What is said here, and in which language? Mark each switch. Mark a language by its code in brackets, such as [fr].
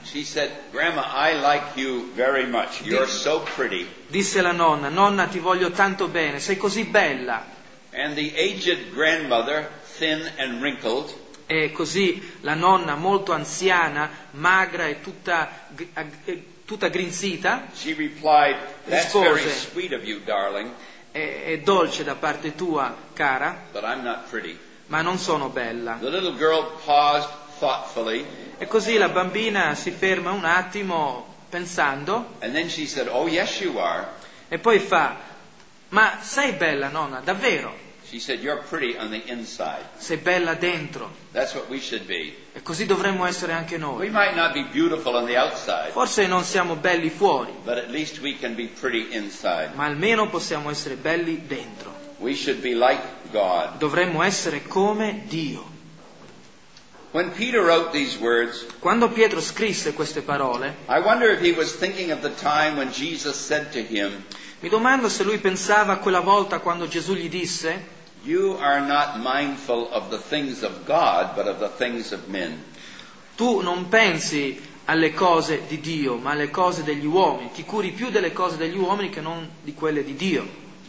[en] she said, "Grandma, I like you very much. You're so pretty." [it] Disse la nonna, "Nonna, ti voglio tanto bene, sei così bella." [en] And the aged grandmother, thin and wrinkled, [it] e così la nonna molto anziana, magra e tutta grinzita, [en] she replied, "That's [it] rispose, [en] very sweet of you, darling. [it] È dolce da parte tua, cara, [en] but I'm not pretty." [it] Ma non sono bella. [en] The little girl paused thoughtfully, [it] e così la bambina si ferma un attimo pensando, [en] and then she said, "Oh, yes, you are." [it] E poi fa, "Ma sei bella, nonna, davvero?" [en] She said, "You're pretty on the inside." [it] Sei bella dentro. [en] That's what we should be. [it] E così dovremmo essere anche noi. [en] We might not be beautiful on the outside. [it] Forse non siamo belli fuori. [en] But at least we can be pretty inside. [it] Ma almeno possiamo essere belli dentro. [en] We should be like God. [it] Dovremmo essere come Dio. [en] When Peter wrote these words, [it] quando Pietro scrisse queste parole, [en] I wonder if he was thinking of the time when Jesus said to him, [it] mi domando se lui pensava a quella volta quando Gesù gli disse, [en] you are not mindful of the things of God, but of the things of men. [it] Tu non pensi alle cose di Dio, ma alle cose degli uomini. Ti curi più delle cose degli uomini che non di quelle di Dio.